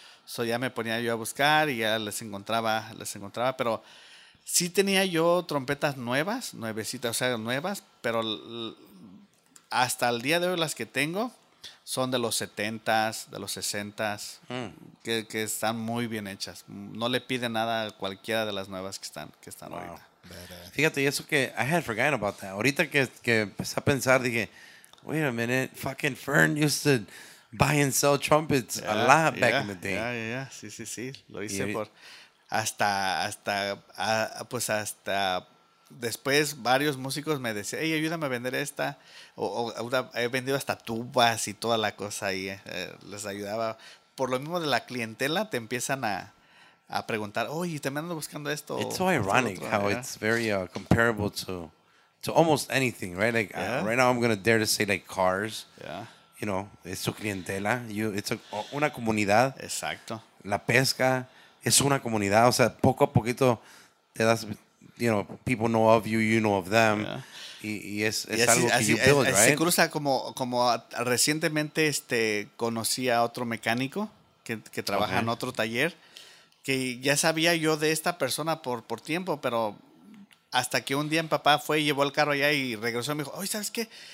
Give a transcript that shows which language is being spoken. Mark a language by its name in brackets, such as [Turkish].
[Spanish] So ya me ponía yo a buscar y ya les encontraba, pero sí tenía yo trompetas nuevas, nuevecitas, o sea, nuevas, pero hasta el día de hoy las que tengo son de los 70s, de los 60s, que están muy bien hechas. No le pide nada a cualquiera de las nuevas que están wow. Ahorita. Fíjate, y eso que [English] I had forgotten about that. [Spanish] Ahorita que empecé a pensar, dije, [English] wait a minute, fucking Fern used to buy and sell trumpets a lot back in the day. [Spanish] Sí. Lo hice hasta después varios músicos me decían, hey, ayúdame a vender esta. O he vendido hasta tubas y toda la cosa ahí. Les ayudaba. Por lo mismo de la clientela, te empiezan a preguntar, oye, también ando buscando esto. [English] It's so ironic how it's very comparable to almost anything, right? Like, right now I'm going to dare to say like cars. Yeah. You know, [Spanish] es su clientela. It's una comunidad. Exacto. La pesca es una comunidad. O sea, poco a poquito te das... [English] you know, people know of you, you know of them. [Spanish] Yeah. Y es algo así, que [English] you build, right? [Spanish] Se cruza como recientemente conocí a otro mecánico que trabaja en otro taller, que ya sabía yo de esta persona por tiempo, pero hasta que un día mi papá fue y llevó el carro allá y regresó y me dijo, oye, ¿sabes qué?